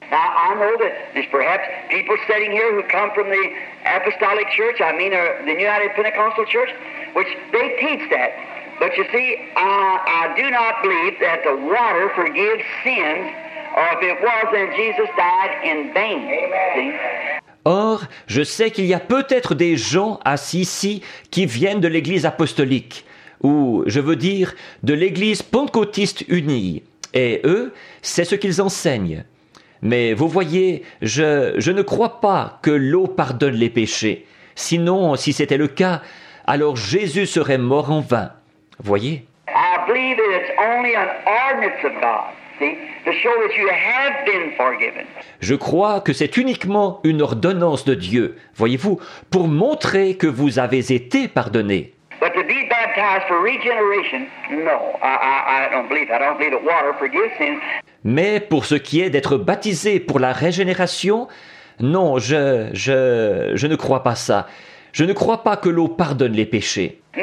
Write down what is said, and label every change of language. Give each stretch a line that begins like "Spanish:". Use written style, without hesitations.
English: Now, I know that there's perhaps people sitting here who come from the Apostolic Church, I mean the United Pentecostal Church, which they teach that. But you see, I do not believe that the water forgives sins, or if it was, then Jesus died in vain. Amen.
French: Or, je sais qu'il y a peut-être des gens assis ici qui viennent de l'Église apostolique, ou, je veux dire, de l'Église pentecôtiste unie. Et eux, c'est ce qu'ils enseignent. Mais vous voyez, je ne crois pas que l'eau pardonne les péchés. Sinon, si c'était le cas, alors Jésus serait mort en vain. Voyez?
English: I believe that it's only an ordinance of God, see, to show that you have been forgiven.
French: Je crois que c'est uniquement une ordonnance de Dieu, voyez-vous, pour montrer que vous avez été pardonné.
English: But to be baptized for regeneration, no, I don't believe that. I don't believe that water forgives sins.
French: Mais pour ce qui est d'être baptisé pour la régénération, non, je ne crois pas ça. Je ne crois pas que l'eau pardonne les péchés.